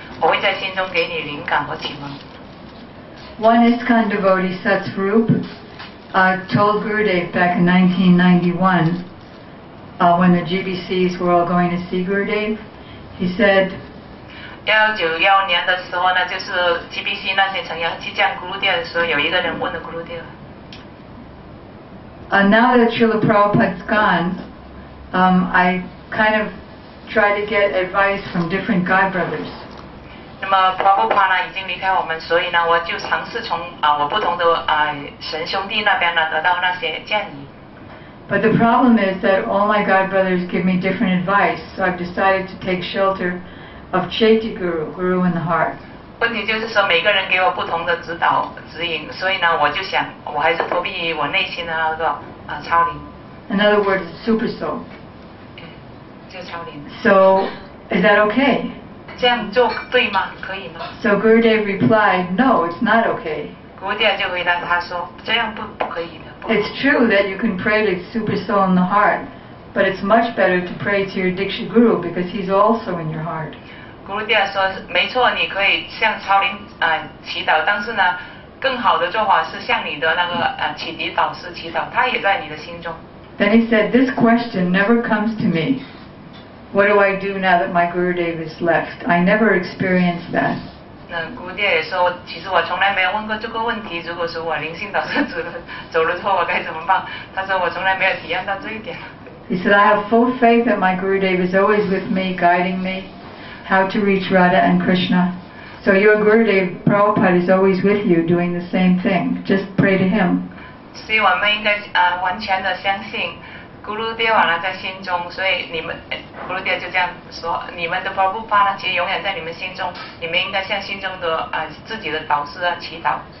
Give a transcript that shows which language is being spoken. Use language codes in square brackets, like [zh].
[zh] 我会在心中给你灵感和启蒙。 [en] One ISKCON devotee, Satsvarup, told Gurudev back in 1991, when the GBCs were all going to see Gurudev, he said, [zh] 1991年的时候呢，就是 GBC 那些成员去见 Gurudev 的时候，有一个人问了 Gurudev。 [en] Now that Srila Prabhupada's gone, I kind of try to get advice from different guy brothers. [zh] 那么 Prabhupada 已经离开我们，所以呢，我就尝试从我不同的神兄弟那边呢得到那些建议。 [en] But the problem is that all my god brothers give me different advice, so I've decided to take shelter of Chaiti Guru, Guru in the heart. [zh] 问题就是说每个人给我不同的指导指引，所以呢，我就想我还是躲避于我内心的那个超灵。 [en] In other words, super soul. [zh] 就超灵。 [en] So, is that okay? [zh] 这样做对吗？可以吗 [en] ？So Gurudev replied, "No, it's not okay." [zh] Gurudev 就回答他说这样不可以的。 [en] It's true that you can pray to super soul in the heart, but it's much better to pray to your Diksha Guru because he's also in your heart. [zh] Gurudev 说没错，你可以向超灵祈祷，但是呢，更好的做法是向你的那个启迪导师祈祷，他也在你的心中。 [en] Then he said, "This question never comes to me. What do I do now that my Gurudev is left? I never experienced that." [zh] 那Gurudev也说，其实我从来没有问过这个问题。如果说我灵性导师走了之后，我该怎么办？他说我从来没有体验到这一点。 [en] He said, "I have full faith that my Gurudev is always with me, guiding me how to reach Radha and Krishna. So your Gurudev Prabhupada is always with you, doing the same thing. Just pray to him." [zh] 所以我们应该完全的相信Gurudev在心中，所以你们Gurudev就这样说，你们的Prabhupada其实永远在你们心中，你们应该向心中的自己的导师祈祷。